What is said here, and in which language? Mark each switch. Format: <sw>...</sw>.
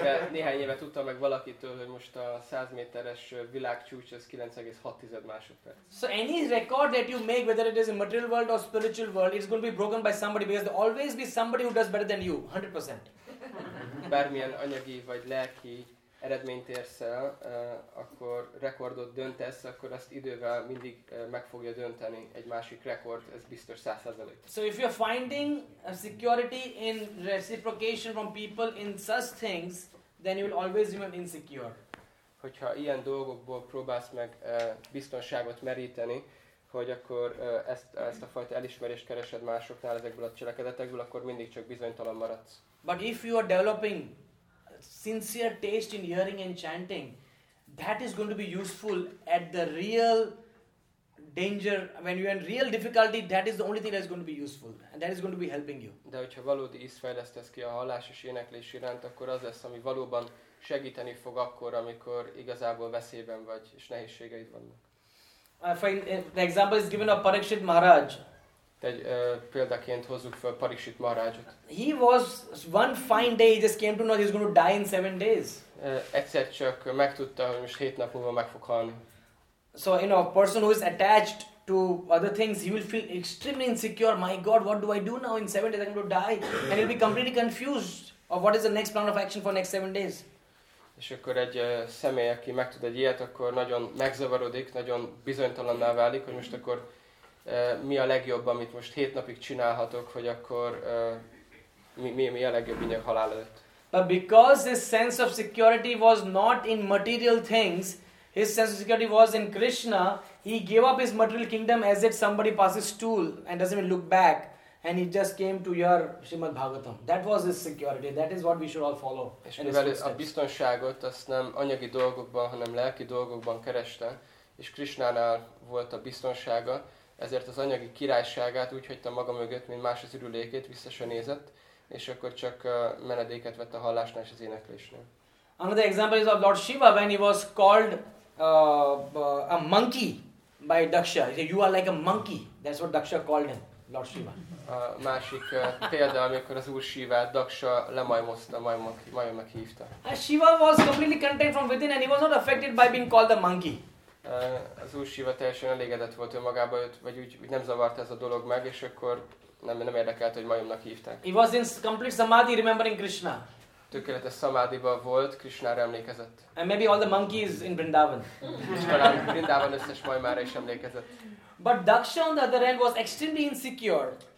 <hu>Néhány éve tudta meg valakitől, hogy most a 100 méteres világcsúcs az 9.6 másodperc.</hu> <en>So any record that you make, whether it is in material world or spiritual world, it's going to be broken by somebody, because there always be somebody who does better than you, 100%.</en> <hu>Bármilyen anyagi vagy lelki eredményt érsz el, akkor rekordot döntesz, akkor azt idővel mindig meg fogja dönteni egy másik rekord, ez biztos 100%.</hu> <en>So if you're finding a security in reciprocation from people in such things, then you will always remain insecure.</en> <hu>Hogyha ilyen dolgokból próbálsz meg biztonságot meríteni, hogy akkor ezt a fajta elismerést keresed másoknál ezekből a cselekedetekből, akkor mindig csak bizonytalan maradsz.</hu> <en>But if you are developing sincere taste in hearing and chanting, that is going to be useful at the real danger. When you are in real difficulty, that is the only thing that is going to be useful, and that is going to be helping you.</en> <hu>De hogyha valódi ízt fejlesztesz ki a hallás és éneklés iránt, akkor az lesz, ami valóban segíteni fog akkor, amikor igazából veszélyben vagy és nehézségeid vannak.</hu> <en>The example is given of Parikshit Maharaj.</en> <hu>Egy példaként hozzuk fel Parikshit Maharajot.</hu> <en>He was one fine day, he just came to know he's going to die in 7 days.</en> <hu>Egyszer csak megtudta, hogy most 7 nap múlva meg fog halni.</hu> <en>So, you know, a person who is attached to other things, he will feel extremely insecure. My God, what do I do now in 7 days? I'm going to die. And he'll be completely confused of what is the next plan of action for next 7 days.</en> <hu>És akkor egy személy, aki megtud egy ilyet, akkor nagyon megzavarodik, nagyon bizonytalanná válik, hogy most akkor mi a legjobb, amit most 7 napig csinálhatok, hogy akkor mi a legjobb mindjárt halál előtt.</hu> <en>But because his sense of security was not in material things, his sense of security was in Krishna, he gave up his material kingdom as if somebody passes stool and doesn't even look back, and he just came to your Srimad Bhagavatam. That was his security, that is what we should all follow.</en> <hu>És mivel a biztonságot azt nem anyagi dolgokban, hanem lelki dolgokban kereste, és Krishnánál volt a biztonsága, ezért az anyagi királyságát úgy hagyta maga mögött, mint más az ürülékét, vissza se nézett, és akkor csak menedéket vett a hallásnál és az éneklésnél.</hu> <en>Another example is of Lord Shiva, when he was called a monkey by Daksha. He said, you are like a monkey. That's what Daksha called him, Lord Shiva.</en> <hu>A másik példa, amikor az Úr Shivát Daksha lemajmozta, majom meghívta.</hu> <en>Shiva was completely content from within, and he was not affected by being called a monkey.</en> <hu>Az Úr Shiva teljesen elégedett volt önmagába, vagy úgy nem zavart ez a dolog meg, és akkor nem érdekelt, hogy majomnak hívták.</hu> <en>He was in complete samadhi remembering Krishna.</en> <hu>Tökéletes samadhiba volt, Krishnára emlékezett.</hu> <en>And maybe all the monkeys in Vrindavan.</en> <hu>És talán Vrindavan összes majmára is emlékezett.</hu> <en>But Daksha on the other end was extremely insecure.</en>